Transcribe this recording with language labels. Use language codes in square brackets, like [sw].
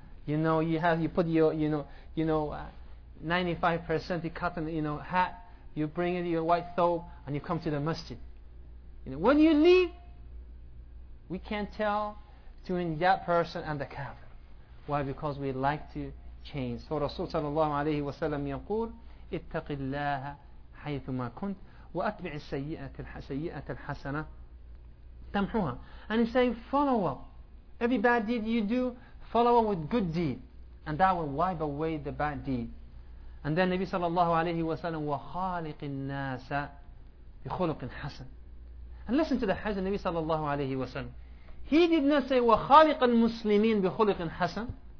[en] You know, you put your 95% cotton, you know, hat, you bring in your white thobe, and you come to the masjid. You know, when you leave, we can't tell between that person and the kafir. Why? Because we like to change. [ar] So Rasul sallallahu alayhi wa sallam yaqul, اتَّقِ اللَّهَ حَيْثُ مَا كُنْتُ وَأَتْبِعِ السَّيِّئَةَ الْحَسَنَةَ تَمْحُوهَا. [en] And he's saying, follow up. Every bad deed you do, follow up with good deed. And that will wipe away the bad deed. And then Nabi sallallahu alayhi wa sallam, [ar] وَخَالِقِ النَّاسَ بِخُلُقٍ حَسَنٍ. [en] And listen to the hadith of Nabi sallallahu alayhi wa sallam. He did not say, [ar] wa khaliq al muslimin bi khuliq hasan.